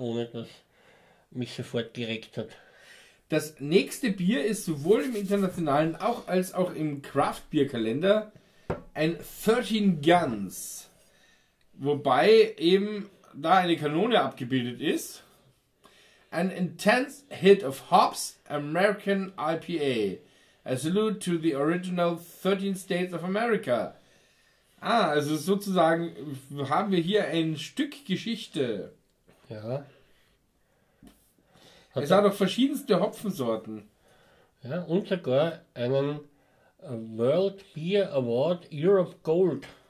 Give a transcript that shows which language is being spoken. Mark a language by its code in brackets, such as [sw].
[de] Ohne dass mich sofort gereckt hat. Das nächste Bier ist sowohl im internationalen auch als auch im Craft-Bier-Kalender ein 13 Guns. Wobei eben da eine Kanone abgebildet ist. [en] An intense hit of hops, American IPA. A salute to the original 13 States of America. [de] Ah, also sozusagen haben wir hier ein Stück Geschichte. Ja. Es hat auch verschiedenste Hopfensorten. Ja, und sogar einen World Beer Award Europe Gold.